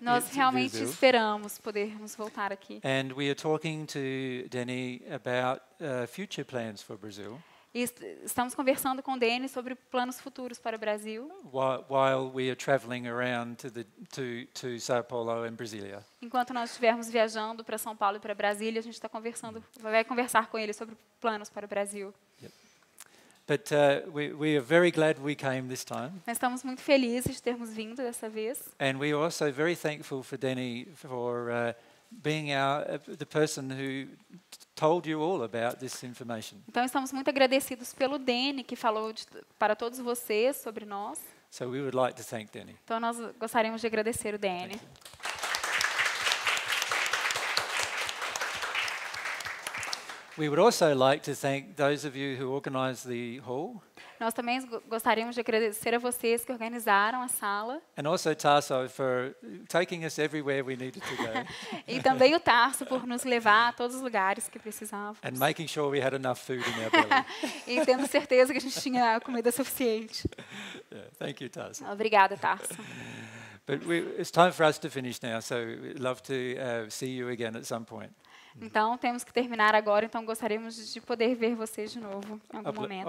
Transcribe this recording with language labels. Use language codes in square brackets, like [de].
[pt] Nós realmente esperamos podermos voltar aqui. [en] And we are talking to Denny about future plans for Brazil. [pt] E estamos conversando com o Denny sobre planos futuros para o Brasil. [en] While we are traveling around to São Paulo and Brasília. [pt] Enquanto nós estivermos viajando para São Paulo e para Brasília, a gente está conversando, vai conversar com ele sobre planos para o Brasil. [en] But we are very glad we came this time. [pt] Nós estamos muito felizes de termos vindo dessa vez. [en] And we are also very thankful for Denny for being our, the person who told you all about this information. [pt] Então estamos muito agradecidos pelo Danny que falou de, para todos vocês sobre nós. [en] So we would like to thank Danny. [pt] Então nós gostaríamos de agradecer o Danny. [en] We would also like to thank those of you who organized the hall. [pt] Nós também gostaríamos de agradecer a vocês que organizaram a sala. [en] And also Tarso for taking us everywhere we needed to go. [pt] E também o Tarso por nos levar a todos os lugares que precisávamos. [en] And making sure we had enough food in our belly. [pt] E tendo certeza que a gente tinha comida suficiente. [en] Yeah, thank you, Tarso. [pt] Obrigada, Tarso. [en] But we, it's time for us to finish now, so we'd love to see you again at some point. [pt] Então, temos que terminar agora, então gostaríamos de poder ver vocês de novo em algum momento.